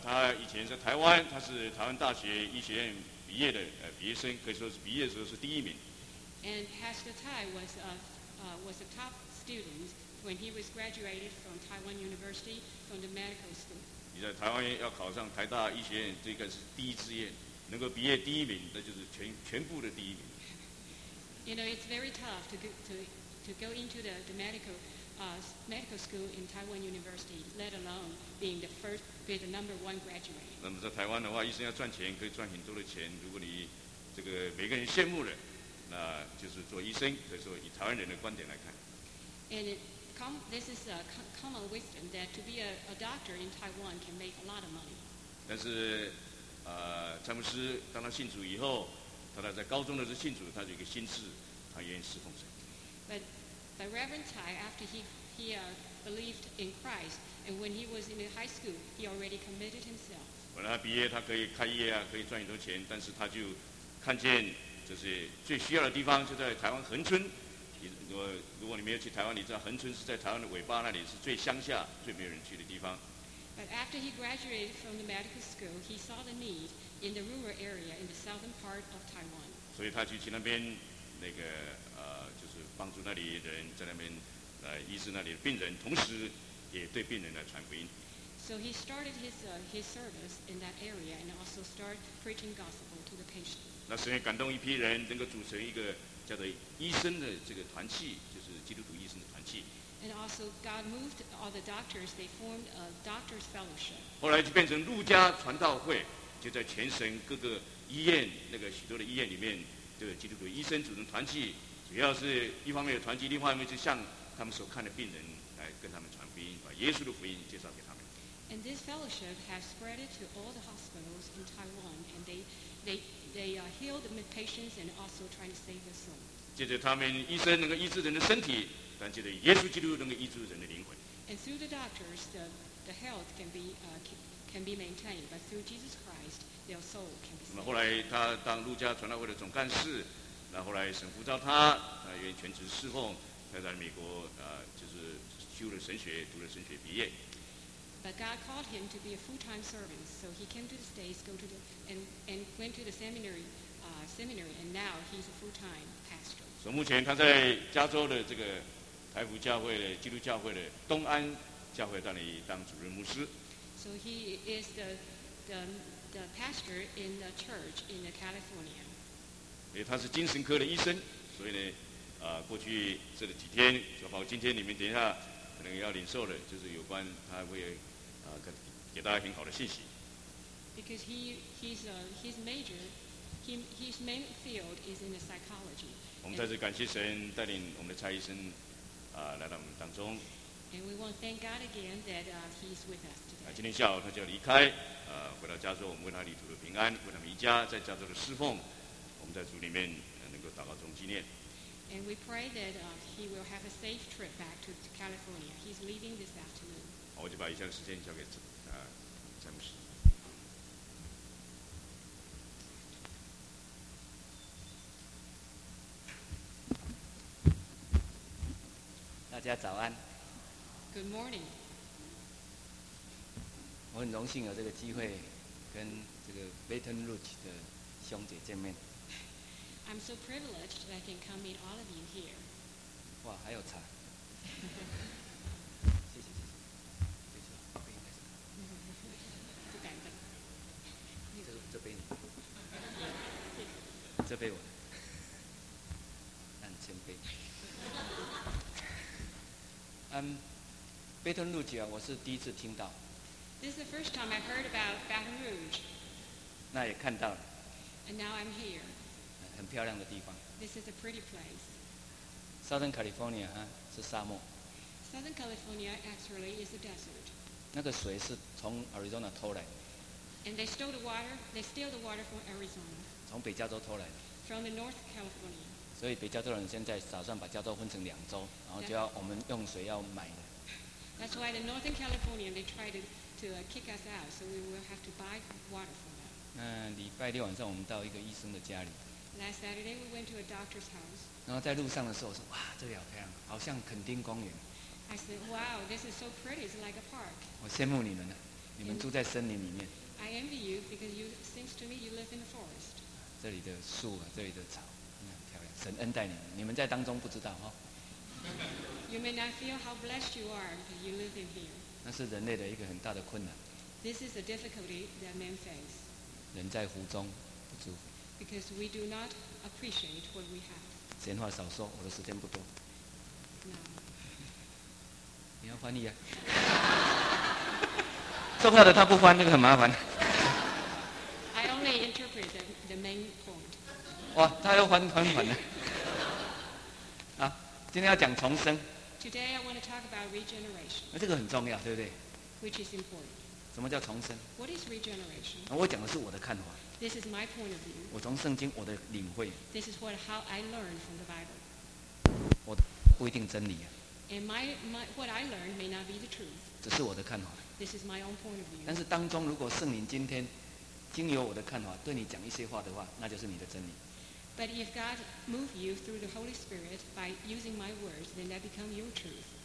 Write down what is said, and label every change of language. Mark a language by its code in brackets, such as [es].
[zh] 他以前在台湾，他是台湾大学医学院毕业的毕业生，可以说是毕业的时候是第一名。 [en] And Pastor Tai was a top student when he was graduated from Taiwan University from the medical school. [zh] 你在台湾要考上台大医学院，这个是第一志愿，能够毕业第一名，那就是全部的第一名。 [en] You know, it's very tough to go into the medical. Medical school in Taiwan University, let alone being the first, be the number one graduate. [zh] 那么在台湾的话，医生要赚钱，可以赚很多的钱。如果你这个每个人羡慕的，那就是做医生。可以说以台湾人的观点来看。 [en] And this is a common wisdom that to be a doctor in Taiwan can make a lot of money. [zh] 但是，詹姆斯当他信主以后，他在高中的时候信主，他有一个心志，他愿意侍奉神。 [en] But Reverend Tai, after he believed in Christ, and when he was in high school, he already committed himself. [zh] 本来他毕业，他可以开业啊，可以赚很多钱，但是他就看见，就是最需要的地方就在台湾恒春。如果你没有去台湾，你知道恒春是在台湾的尾巴那里，是最乡下、最没有人去的地方。 [en] But after he graduated from the medical school, he saw the need in the rural area in the southern part of Taiwan. [zh] 所以他就去那边那个。帮助那里人在那边医治那里的病人，同时也对病人来传福音。 [en] So he started his service in that area and also start preaching gospel to the patients. [zh] 那神也感动一批人，能够组成一个叫做医生的这个团契，就是基督徒医生的团契。 [en] And also God moved all the doctors; they formed a doctors' fellowship. [zh] 后来就变成路加传道会，就在全省各个医院那个许多的医院里面，这个基督徒医生组成团契。主要是一方面有团契，另外一方面就向他们所看的病人来跟他们传福音，把耶稣的福音介绍给他们。 [en] And this fellowship has spread it to all the hospitals in Taiwan, and they heal the patients and also trying to save their soul. [zh] 借着他们医生能够医治人的身体，但借着耶稣基督能够医治人的灵魂。 [en] And through the doctors, the health can be maintained, but through Jesus Christ, their soul can be saved. [zh] 那么后来他当路加传道会的总干事。那后来神呼召他，他愿意全职侍奉。他在美国就是修了神学，读了神学毕业。 [en] But God called him to be a full-time servant, so he came to the States, go to the and went to the seminary, and now he's a full-time pastor. [zh] 所以目前他在加州的这个台福教会的基督教会的东安教会那里当主任牧师。 [en] So he is the pastor in the church in the California. [zh] 因为他是精神科的医生，所以呢，过去这几天，就包括今天，你们等一下可能要领受的，就是有关他会给大家很好的信息。 [en] Because he's major, his main field is in the psychology. [zh] 我们再次感谢神带领我们的蔡医生来到我们当中。 [en] And we want to thank God again that he's with us today. [zh] 今天下午他就要离开，回到加州，我们为他旅途的平安，为他们一家在加州的侍奉。我们在主里面能够祷告中纪念。 [en] And we pray that he will have a safe trip back to California. He's leaving this afternoon. [zh] 我就把以下的时间交给詹姆斯。大家早安。 [en] Good morning. [zh] 我很荣幸有这个机会跟这个 Baton Rouge 的兄姐见面。 [en] I'm so privileged that I can come meet all of you here. [zh] 哇，还有茶。谢谢谢谢，谢谢，不应该是。不敢的。这杯你。这杯我。两千杯。 Baton Rouge 啊，我是第一次听到。 [en] This is the first time I heard about Baton Rouge. [zh] 那也看到了。 [en] And now I'm here. [zh] 很漂亮的地方。 [en] This is a pretty place. [zh] Southern California 啊，是沙漠。 [en] Southern California actually is a desert. [zh] 那个水是从 Arizona 偷来的。 [en] And they stole the water. They steal the water from Arizona. [zh] 从北加州偷来的。 [en] From the North California. [zh] 所以北加州人现在打算把加州分成两州，然后就要我们用水要买的。 [en] That's why the Northern California they try to kick us out, so we will have to buy water from them. [zh] 那礼拜六晚上我们到一个医生的家里。 [en] Last Saturday we went to a doctor's house. [zh] 然后在路上的时候我说，哇，这里好漂亮，好像垦丁公园。 [en] I said, wow, this is so pretty, it's like a park. [zh] 我羡慕你们了，你们住在森林里面。 I envy you because you seems to me you live in the forest. 这里的树啊，这里的草，很漂亮。神恩待你们，你们在当中不知道哈。 [en] You may not feel how blessed you are that you live in here. [zh] 那是人类的一个很大的困难。 [en] This is a difficulty that men face. [zh] 人在湖中不知福。 [en] Because we do not appreciate what we have. [zh] 闲话少说，我的时间不多。 [en] No. [zh] 你要翻译啊？重要的他不翻，那个很麻烦。 [en] I only interpret the main point. [zh] 哇，他要翻了。今天要讲重生。 [en] Today I want to talk about regeneration. [zh] 那这个很重要，对不对 [en] ？Which is important. [zh] 什么叫重生 [en] ？What is regeneration?、 [zh] 啊、我讲的是我的看法。 [en] This is my point of view. [zh] 我从圣经我的领会。 [en] This is what how I learned from the Bible. [zh] 我不一定真理啊。 [en] And my what I learned may not be the truth. [zh] 只是我的看法。 [en] This is my own point of view. [zh] 但是当中如果圣灵今天经由我的看法对你讲一些话的话，那就是你的真理。 [en] But if God move you through the Holy Spirit by using my words, then that become your truth.